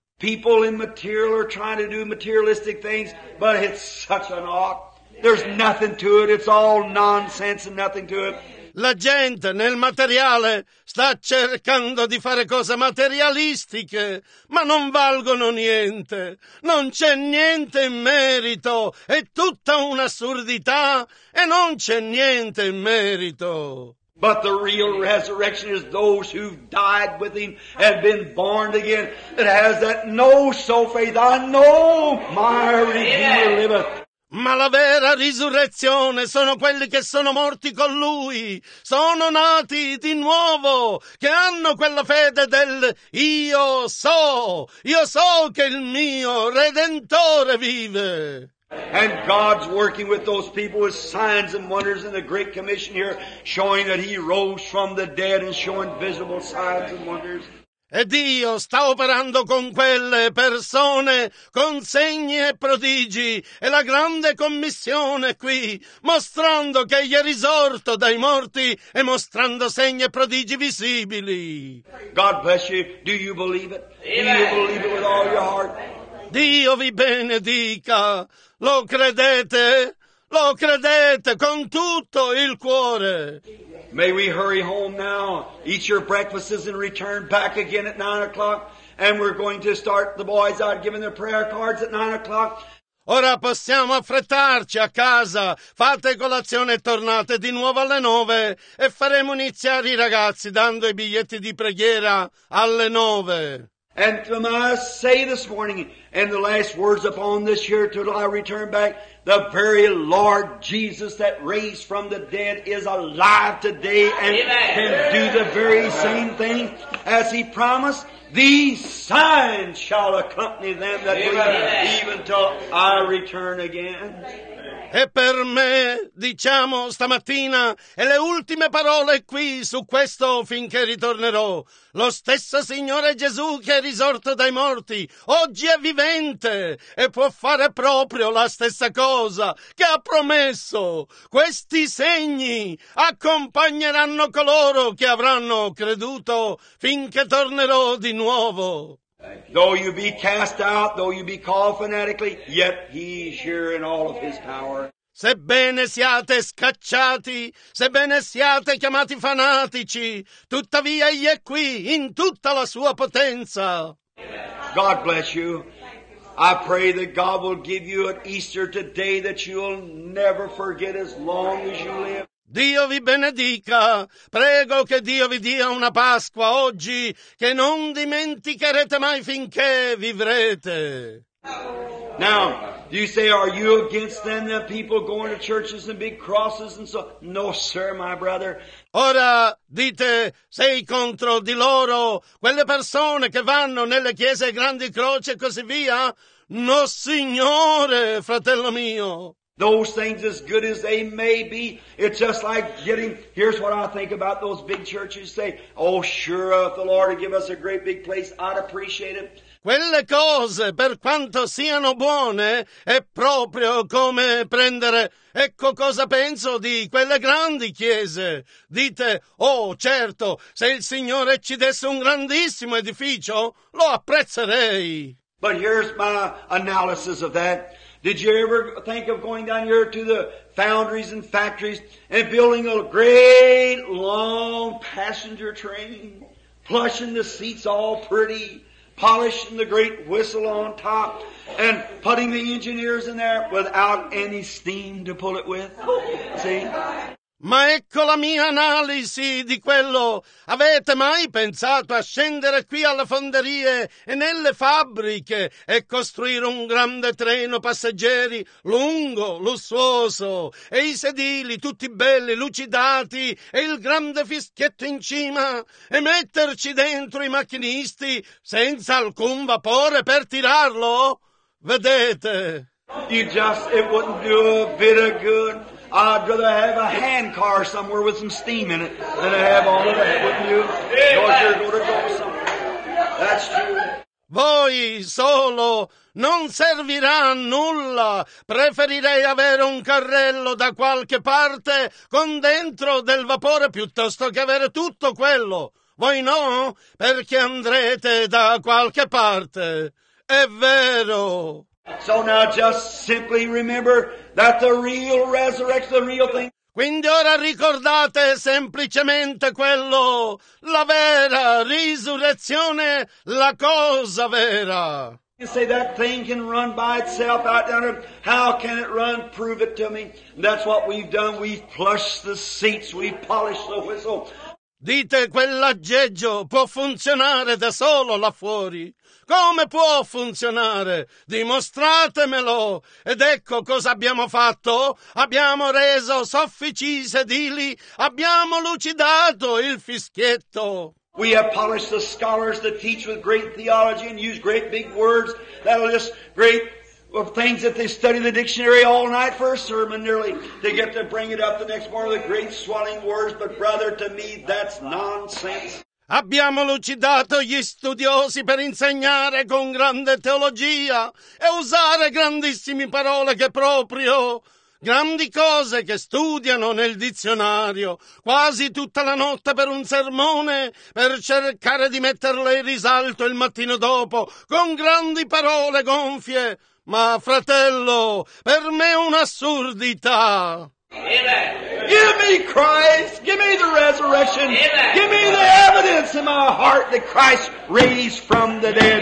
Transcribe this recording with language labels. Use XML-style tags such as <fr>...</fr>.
<en>People in material are trying to do materialistic things, but it's such an ought. There's nothing to it, it's all nonsense and nothing to it.</en> <it>La gente nel materiale sta cercando di fare cose materialistiche, ma non valgono niente. Non c'è niente in merito, è tutta un'assurdità e non c'è niente in merito.</it> <en>But the real resurrection is those who've died with him and been born again. It has that no soul faith, I know my Redeemer liveth.</en> <it>Ma la vera risurrezione sono quelli che sono morti con Lui, sono nati di nuovo, che hanno quella fede del io so che il mio Redentore vive.</it> <en>And God's working with those people with signs and wonders in the Great Commission here, showing that He rose from the dead and showing visible signs and wonders.</en> <it>E Dio sta operando con quelle persone, con segni e prodigi, e la grande commissione qui, mostrando che egli è risorto dai morti e mostrando segni e prodigi visibili.</it> <en>God bless you. Do you believe it? Do you believe it with all your heart?</en> <it>Dio vi benedica. Lo credete? Lo credete con tutto il cuore.</it> <en>May we hurry home now, eat your breakfasts and return back again at 9 o'clock, and we're going to start the boys out giving their prayer cards at 9 o'clock.</en> <it>Ora possiamo affrettarci a casa, fate colazione e tornate di nuovo alle 9 e faremo iniziare i ragazzi dando i biglietti di preghiera alle 9.</it> <en>And to must say this morning, and the last words upon this year till I return back, the very Lord Jesus that raised from the dead is alive today and can do the very same thing as He promised. These signs shall accompany them that believe, even till I return again.</en> <it>E per me, diciamo stamattina, e le ultime parole qui su questo finché ritornerò, lo stesso Signore Gesù che è risorto dai morti, oggi è vivente e può fare proprio la stessa cosa che ha promesso. Questi segni accompagneranno coloro che avranno creduto finché tornerò di nuovo.</it> <en>Though you be cast out, though you be called fanatically, yet He is here in all of His power.</en> <it>Sebbene siate scacciati, sebbene siate chiamati fanatici, tuttavia Egli è qui in tutta la Sua potenza.</it> <en>God bless you. I pray that God will give you an Easter today that you will never forget as long as you live.</en> <it>Dio vi benedica, prego che Dio vi dia una Pasqua oggi che non dimenticherete mai finché vivrete.</it> <en>Now, you say, are you against them, the people going to churches and big crosses and so? No, sir, my brother.</en> <it>Ora, dite, sei contro di loro, quelle persone che vanno nelle chiese grandi croci e così via? No, signore, fratello mio.</it> <en>Those things, as good as they may be, it's just like getting, here's what I think about those big churches, say, oh sure, if the Lord would give us a great big place, I'd appreciate it.</en> <it>Quelle cose, per quanto siano buone, è proprio come prendere, ecco cosa penso di quelle grandi chiese. Dite, oh certo, se il Signore ci desse un grandissimo edificio, lo apprezzerei.</it> <en>But here's my analysis of that. Did you ever think of going down here to the foundries and factories and building a great long passenger train, plushing the seats all pretty, polishing the great whistle on top, and putting the engineers in there without any steam to pull it with? See?</en> <it>Ma ecco la mia analisi di quello. Avete mai pensato a scendere qui alle fonderie e nelle fabbriche e costruire un grande treno passeggeri lungo, lussuoso, e i sedili tutti belli, lucidati, e il grande fischietto in cima, e metterci dentro i macchinisti senza alcun vapore per tirarlo? Vedete?</it> <en>It wouldn't do a bit of good. I'd rather have a hand car somewhere with some steam in it than to have all of that, wouldn't you? Because you're going to go somewhere. That's true.</en> <it>Voi solo non servirà a nulla. Preferirei avere un carrello da qualche parte con dentro del vapore piuttosto che avere tutto quello. Voi no? Perché andrete da qualche parte. È vero.</it> <en>So now just simply remember that the real resurrection, the real thing.</en> <it>Quindi ora ricordate semplicemente quello, la vera risurrezione, la cosa vera.</it> <en>You say that thing can run by itself out there. How can it run? Prove it to me. That's what we've done. We've plushed the seats. We've polished the whistle.</en> <it>Dite, quell'aggeggio può funzionare da solo là fuori. Come può funzionare? Dimostratemelo! Ed ecco cosa abbiamo fatto. Abbiamo reso soffici i sedili. Abbiamo lucidato il fischietto.</it> <en>We have polished the scholars that teach with great theology and use great big words that are just great things that they study in the dictionary all night for a sermon nearly. They get to bring it up the next morning, the great swelling words. But brother, to me, that's nonsense.</en> <it>Abbiamo lucidato gli studiosi per insegnare con grande teologia e usare grandissime parole che proprio grandi cose che studiano nel dizionario quasi tutta la notte per un sermone per cercare di metterle in risalto il mattino dopo con grandi parole gonfie. Ma fratello, per me è un'assurdità.</it> <en>Amen. Give me Christ. Give me the resurrection. Amen. Give me the evidence in my heart that Christ raised from the dead.</en>